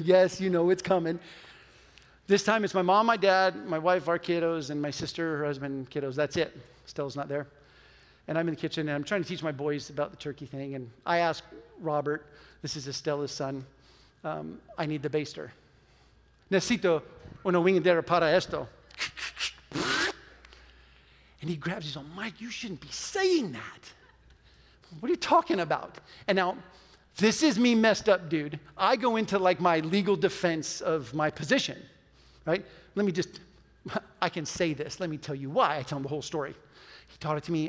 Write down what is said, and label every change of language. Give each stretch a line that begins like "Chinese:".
English: Yes, you know it's coming. This time it's my mom, my dad, my wife, our kiddos, and my sister, her husband, kiddos. That's it. Stella's not there. And I'm in the kitchen, and I'm trying to teach my boys about the turkey thing. And I ask Robert, this is Estella's son, I need the baster.
Spanish: Necesito una wingadera para esto.
English: And he grabs, he's like, Mike, you shouldn't be saying that. What are you talking about? And now, this is me messed up, dude. I go into, like, my legal defense of my position, right? Let me just, I can say this. Let me tell you why. I tell him the whole story. He taught it to me.